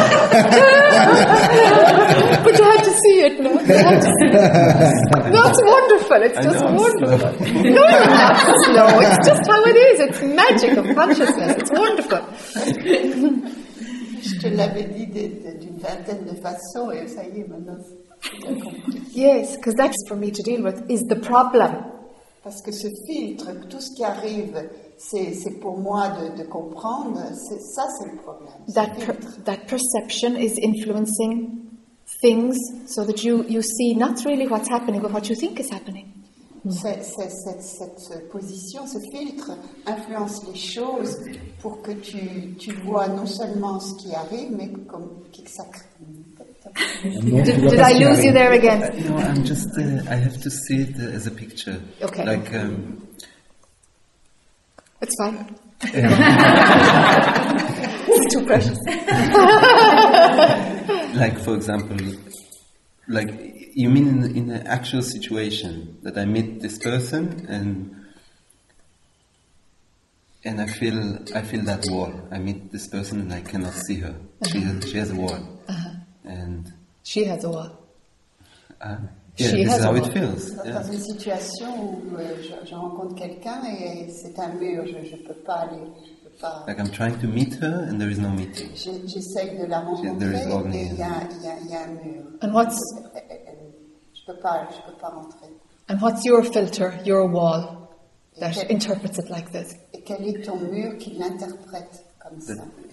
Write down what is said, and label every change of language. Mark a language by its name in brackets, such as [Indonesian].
[English] But you had to see it, no? That's wonderful. It's just wonderful. No, you're not slow. It's just how it is. It's magic of consciousness. It's wonderful. [French] Je te l'avais dit d'une vingtaine de façons et ça y est, maintenant. [English] Yes, because that's for me to deal with is the problem. [French] Parce que ce filtre, tout ce qui arrive, c'est pour moi de comprendre. C'est le problème. [English] That perception is influencing things so that you see not really what's happening, but what you think is happening. [French] Cette position, ce filtre influence les choses pour que tu vois non seulement ce qui arrive, mais comme qui ça crée. [English] Did I lose you there again? No, I'm just. I have to see it as a picture. Okay. Like. It's fine. It's too precious. Like, for example, like you mean in the actual situation that I meet this person and I feel that wall. I meet this person and I cannot see her. Uh-huh. She has a wall. And she has a wall. Yeah, she this has is how it feels. [French] Dans une situation où je rencontre quelqu'un et c'est un mur, je peux pas aller. [English] Like I'm trying to meet her and there is no meeting. [French] J'essaie de la rencontrer et il y a un mur. [English] And what's [French] je peux pas rentrer. [English] And what's your filter, your wall that interprets it like this? [French] Et quel est ton mur qui l'interprète comme ça?